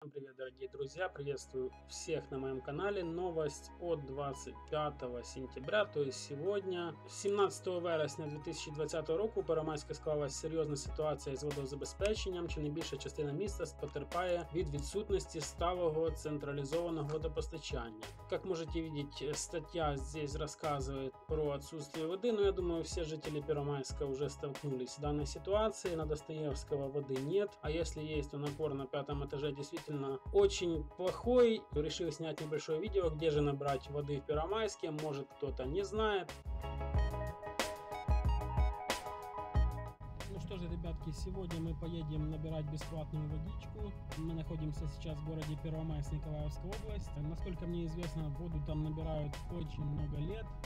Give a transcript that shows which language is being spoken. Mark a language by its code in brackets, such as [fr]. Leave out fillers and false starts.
[ru] Всем привет, дорогие друзья! Приветствую всех на моем канале. Новость от 25 сентября, то есть сегодня. [uk] 17 вересня 2020 року у Первомайську склалась серйозна ситуація з водозабезпеченням. Чи не більша частина міста потерпає від відсутності сталого централізованого водопостачання. Як можете видіти, стаття здесь розказує про відсутствие води. Ну, я думаю, всі жителі Первомайська вже столкнулись з даною ситуацією. На Достоєвського води нет. А якщо є, то напор на п'ятому етажі дійсно [ru] очень плохой. Решил снять небольшое видео, где же набрать воды в Первомайске. Может, кто-то не знает. Ну что же, ребятки, сегодня мы поедем набирать бесплатную водичку. Мы находимся сейчас в городе Первомайск, Николаевская область. Насколько мне известно, воду там набирают очень много лет.